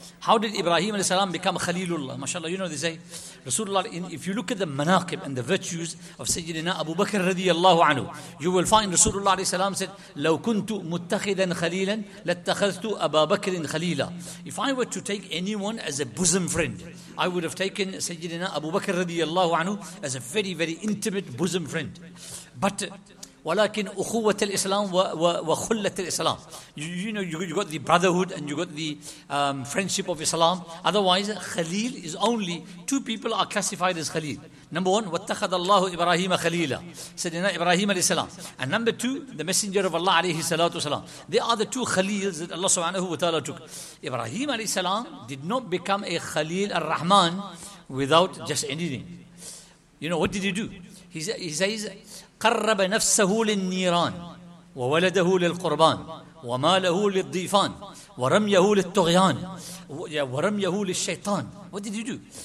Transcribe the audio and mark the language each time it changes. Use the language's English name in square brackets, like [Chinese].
[English] How did Ibrahim alayhi salam become Khalilullah? MashaAllah, you know they say, Rasulullah, if you look at the manaqib and the virtues of Sayyidina Abu Bakr radiyallahu anhu, you will find Rasulullah alayhi salam said, [Arabic] لَوْ كُنْتُ مُتَّخِذًا خَلِيلًا لَاتَّخَذْتُ أَبَا بَكْرٍ خَلِيلًا. [English] If I were to take anyone as a bosom friend, I would have taken Sayyidina Abu Bakr radiyallahu anhu as a very, very intimate bosom friend. But [Arabic] ولكن أخوة الإسلام وخلة الإسلام. [English] You know, you got the brotherhood and you got the friendship of Islam. Otherwise, Khalil is only, two people are classified as Khalil. Number one, [Arabic] وَاتَّخَذَ اللَّهُ إِبْرَاهِيمَ خَلِيلًا. [English] Sayyidina Ibrahim alayhi salam. And number two, the Messenger of Allah alayhi salatu salam. They are the two Khalils that Allah subhanahu wa ta'ala took. Ibrahim alayhi salam did not become a Khalil al-Rahman without just anything. You know, what did he do? He says, [Arabic] قرب نفسه للنيران وولده للقربان وماله للضيفان ورميه للطغيان ورميه للشيطان. [English] What did he do?